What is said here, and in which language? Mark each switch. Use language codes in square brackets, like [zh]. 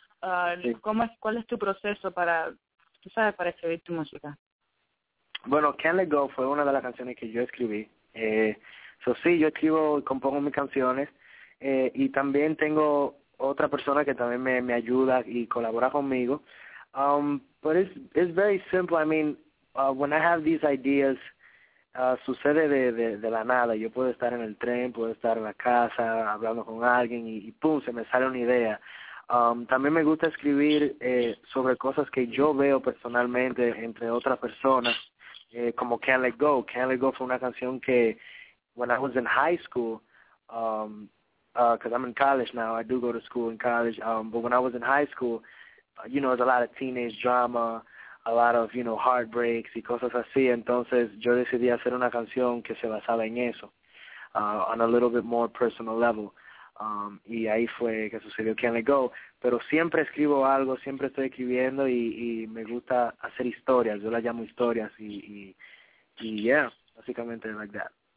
[es] ¿Cuál es tu proceso para, tú sabes, para escribir tu música? Bueno, Can't Let Go fue una de las canciones que yo escribí. Sí, yo escribo y compongo mis canciones. Y también tengo otra persona que también me ayuda y colabora conmigo. [en] But it's very simple. I mean, when I have these ideas, [es] sucede de la nada. Yo puedo estar en el tren, puedo estar en la casa hablando con alguien y pum, se me sale una idea. También me gusta escribir sobre cosas que yo veo personalmente entre otras personas, como Can't Let Go. [en] Can't Let Go [es] fue una canción que, [en] when I was in high school, because I'm in college now, I do go to school in college, but when I was in high school, you know, there's a lot of teenage drama, a lot of, you know, heartbreaks [es] y cosas así. Entonces yo decidí hacer una canción que se basaba en eso, [en] on a little bit more personal level. [es] Y ahí fue que sucedió Can't Let Go. Pero siempre escribo algo, siempre estoy escribiendo y me gusta hacer historias. Yo las llamo historias y yeah, básicamente [en] like that.